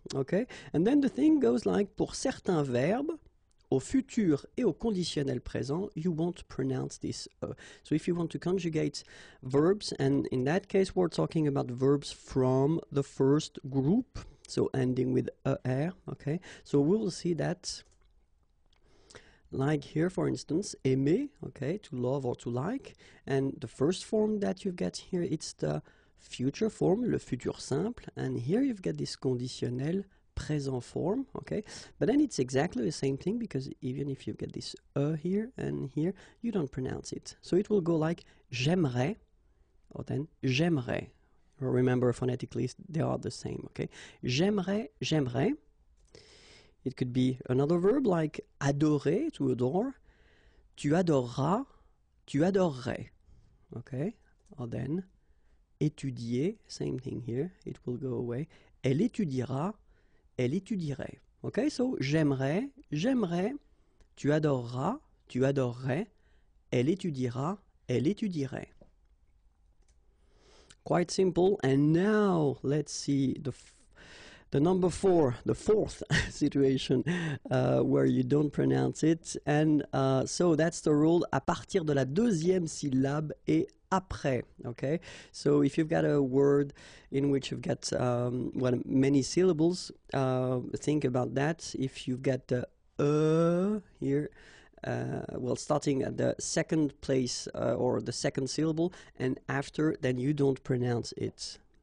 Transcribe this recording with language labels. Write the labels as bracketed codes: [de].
[en] Okay, and then the thing goes like, [fr] pour certains verbes, au futur et au conditionnel présent, [en] you won't pronounce this E. So if you want to conjugate verbs, and in that case we're talking about verbs from the first group, so ending with ER, okay? So we'll see that, like here for instance, aimer, okay, to love or to like, and the first form that you've got here, it's the future form, [fr] le futur simple, [en] and here you've got this [fr] conditionnel present [en] form, okay? But then it's exactly the same thing, because even if you've got this E here and here, you don't pronounce it. So it will go like [fr] j'aimerais, [en] or then j'aimerais. Remember, phonetically, they are the same, okay? [fr] J'aimerais, j'aimerais. [en] It could be another verb like adorer, to adore. [fr] Tu adoreras, tu adorerais, [en] okay? Or then étudier, same thing here. It will go away. [fr] Elle étudiera, elle étudierait. [en] Okay, so [fr] j'aimerais, j'aimerais, tu adoreras, tu adorerais, elle étudiera, elle étudierait. [en] Quite simple. And now let's see the number four, the fourth situation where you don't pronounce it. And so that's the rule, [fr] à partir de la deuxième syllabe et après, okay? [en] So if you've got a word in which you've got many syllables, think about that. If you've got the here, starting at the second place or the second syllable, and after, then you don't pronounce it.